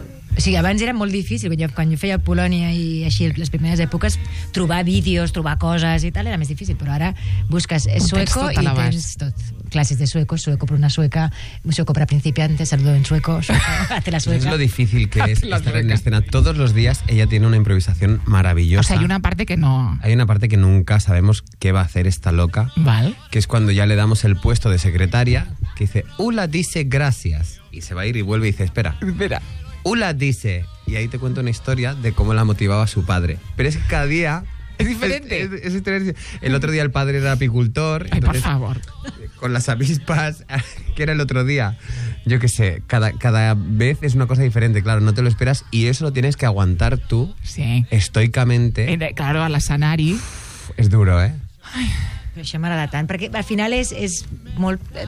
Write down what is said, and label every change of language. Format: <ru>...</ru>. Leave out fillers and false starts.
<ca>O sigui, abans era molt difícil, quan jo feia Polònia i així, les primeres èpoques, trobar vídeos, trobar coses i tal, era més difícil, però ara busques sueco i tens tot. Classes de sueco, sueco per una sueca, sueco per a principiantes,</ca> <es>saludo en sueco, hazte la sueca.</es> <ca>És lo difícil que és estar en escena.</ca> <es>Todos los días ella tiene una improvisación maravillosa. O sea, hay una parte que no... Hay una parte que nunca sabemos qué va a hacer esta loca. Val. Que es cuando ya le damos el puesto de secretaria, que dice, Ula dice gracias. Y se va a ir y vuelve y dice, espera. Ula dice, y ahí te cuento una historia de cómo la motivaba su padre. Pero es que cada día... Es diferente. Es el otro día el padre era apicultor. Ay, entonces, por favor. Con las avispas, que era el otro día. Yo qué sé, cada vez es una cosa diferente, claro, no te lo esperas. Y eso lo tienes que aguantar tú, sí. Estoicamente. Claro, a la sanari. Es duro, ¿eh?</es> <ca>Ay, això m'agrada tant, perquè al final és molt...</ca>